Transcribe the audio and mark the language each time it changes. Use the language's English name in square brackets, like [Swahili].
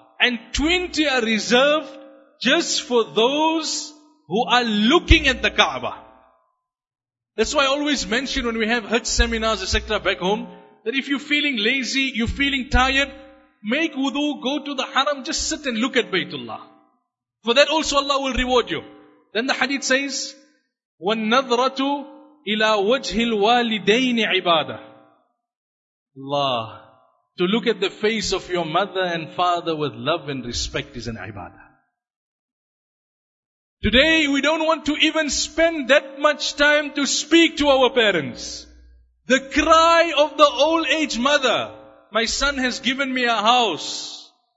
[English] And 20 are reserved just for those who are looking at the Kaaba. That's why I always mention when we have Hajj seminars, etc. back home, that if you're feeling lazy, you're feeling tired, make wudu, go to the haram, just sit and look at Baytullah. For that also Allah will reward you. Then the hadith says, [Arabic] وَالنَّظْرَةُ إِلَىٰ وَجْهِ الْوَالِدَيْنِ عِبَادَةِ. [English] Allah, to look at the face of your mother and father with love and respect is an ibadah. Today we don't want to even spend that much time to speak to our parents. The cry of the old age mother, my son has given me a house.